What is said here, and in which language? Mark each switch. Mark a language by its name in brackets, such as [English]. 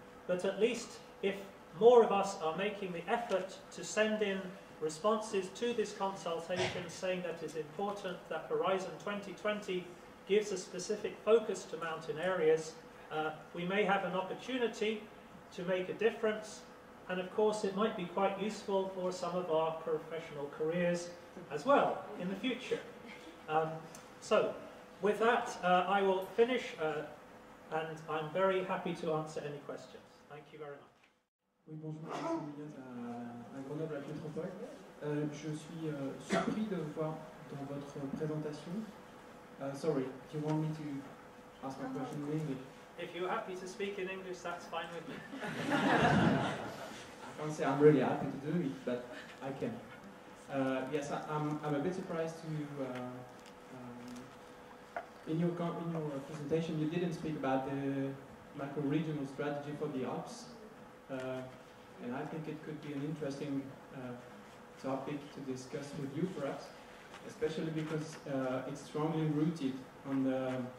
[English] But at least if more of us are making the effort to send in responses to this consultation saying that it's important that Horizon 2020 gives a specific focus to mountain areas, we may have an opportunity to make a difference. And of course, it might be quite useful for some of our professional careers as well in the future. With that, I will finish, and I'm very happy to answer any questions. Thank you very much. [French] Oui, bonjour, je suis Mignon à Grenoble, à la métropole. Je suis surpris de voir dans votre présentation. [English] Sorry, do you want me to ask my question in English? If you're happy to speak in English, that's fine with me. I can't say I'm really happy to do it, but I can. Yes, I'm a bit surprised to. In your presentation, you didn't speak about the macro-regional strategy for the Alps, and I think it could be an interesting topic to discuss with you, perhaps, especially because it's strongly rooted on the